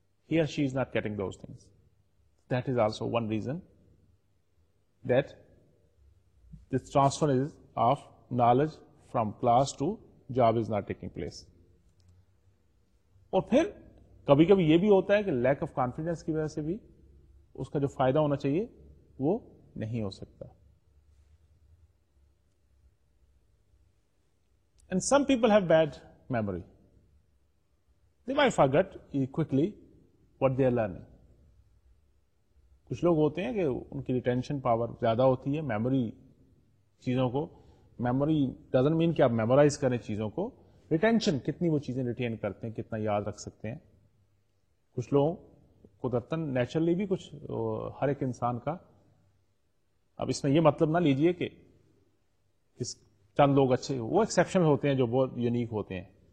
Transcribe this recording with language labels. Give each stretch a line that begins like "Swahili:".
English: He or she is not getting those things. That is also one reason that this transfer is of knowledge from class to job is not taking place.
Urdu: اور پھر کبھی کبھی یہ بھی ہوتا ہے کہ لیک آف کانفیڈینس کی وجہ سے بھی اس کا جو فائدہ ہونا چاہیے وہ نہیں ہو سکتا.
English: And some people have bad memory, they might forget quickly what they are learning.
Urdu: کچھ لوگ ہوتے ہیں کہ ان کی ریٹینشن پاور زیادہ ہوتی ہے میموری چیزوں کو.
English: memory doesn't mean
Urdu: کہ آپ میمورائز کریں چیزوں کو, ریٹینشن, کتنی وہ چیزیں ریٹین کرتے ہیں, کتنا یاد رکھ سکتے ہیں. کچھ لوگوں قدرتن نیچرلی بھی کچھ, ہر ایک انسان کا, اب اس میں یہ مطلب نہ لیجئے کہ اس چند لوگ اچھے, وہ ایکسیپشن ہوتے ہیں جو بہت یونیک ہوتے ہیں.